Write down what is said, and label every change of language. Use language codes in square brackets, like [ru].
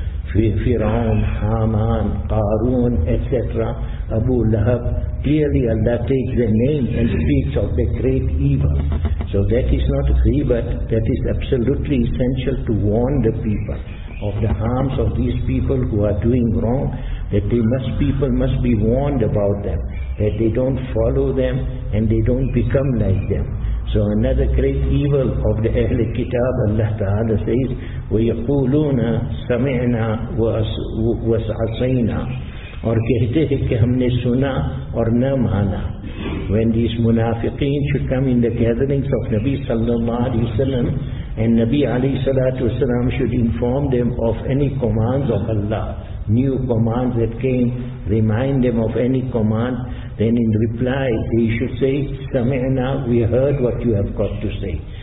[en] Fir'aun, Haman, Qarun, etc., Abu Lahab, clearly Allah takes their name and speaks of the great evil. So that is not ghibat, that is absolutely essential to warn the people of the harms of these people who are doing wrong, that people must be warned about them, that they don't follow them and they don't become like them. So another great evil of the Ahle Kitab, Allah Ta'ala says, [ar] وَيَقُولُونَ سَمِعْنَا وَسْعَصَيْنَا [ur] اور کہتے ہیں کہ ہم نے سنا اور نہ مانا. [en] When these munafiqeen should come in the gatherings of Nabi Sallallahu Alaihi Wasallam, and Nabi Alayhi Salatu Wasallam should inform them of any commands of Allah, new commands that came, remind them of any command, then in reply they should say, [ar] سَمِعْنَا, [en] we heard what you have got to say.